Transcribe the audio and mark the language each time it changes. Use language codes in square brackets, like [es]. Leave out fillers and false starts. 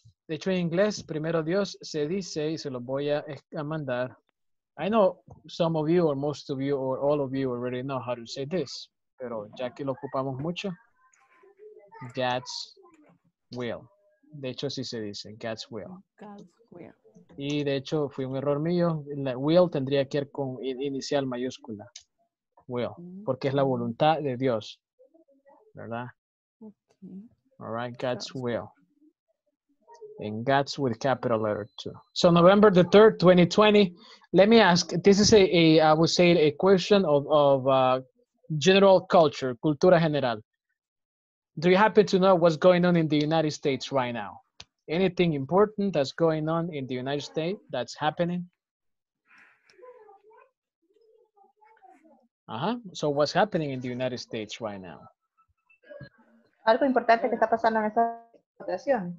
[es] De hecho, en inglés, primero Dios se dice y se lo voy a mandar. [en] I know some of you or most of you or all of you already know how to say this. [es] Pero ya que lo ocupamos mucho, [en] God's will. [es] De hecho, sí se dice, [en] God's will. God's will. [es] Y de hecho, fue un error mío. La will tendría que ir con inicial mayúscula. Will. Mm-hmm. Porque es la voluntad de Dios. ¿Verdad? [en] Okay. All right, God's will. And God's with capital letter too. So November the 3rd, 2020. Let me ask, this is a question of general culture, [es] cultura general. [en] Do you happen to know what's going on in the United States right now? Anything important that's going on in the United States that's happening? Uh-huh. So what's happening in the United States right now? [es] Algo importante que está pasando en esta situación.